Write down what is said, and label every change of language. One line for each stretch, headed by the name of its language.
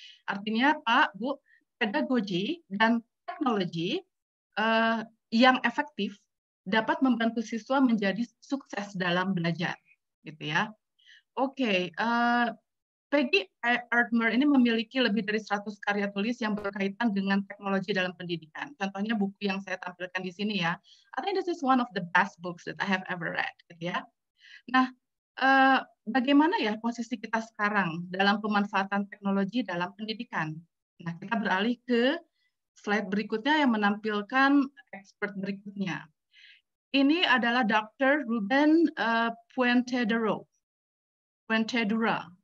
Indonesian: Artinya, Pak, Bu, pedagogi dan teknologi yang efektif dapat membantu siswa menjadi sukses dalam belajar. Gitu ya. Oke. Peggy Artmer ini memiliki lebih dari 100 karya tulis yang berkaitan dengan teknologi dalam pendidikan. Contohnya buku yang saya tampilkan di sini ya.
English: I think this is one of the best books that I have ever read.
Indonesian: Ya. Nah, bagaimana ya posisi kita sekarang dalam pemanfaatan teknologi dalam pendidikan? Nah, kita beralih ke slide berikutnya yang menampilkan expert berikutnya. Ini adalah Dr. Ruben Puentedura.